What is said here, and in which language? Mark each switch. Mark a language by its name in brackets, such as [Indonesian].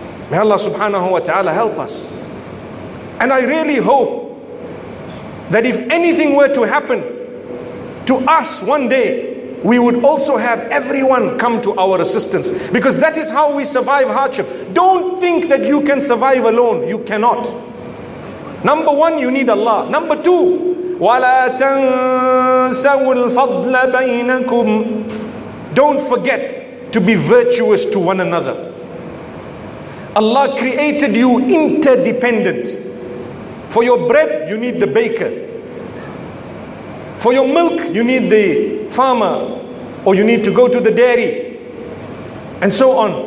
[English] May Allah subhanahu wa ta'ala help us. And I really hope that if anything were to happen to us one day, we would also have everyone come to our assistance. Because that is how we survive hardship. Don't think that you can survive alone. You cannot. Number one, you need Allah. Number two, [Arabic] وَلَا تَنْسَوُ الْفَضْلَ بَيْنَكُمْ. [English] Don't forget to be virtuous to one another. Allah created you interdependent. For your bread, you need the baker. For your milk, you need the farmer. Or you need to go to the dairy. And so on.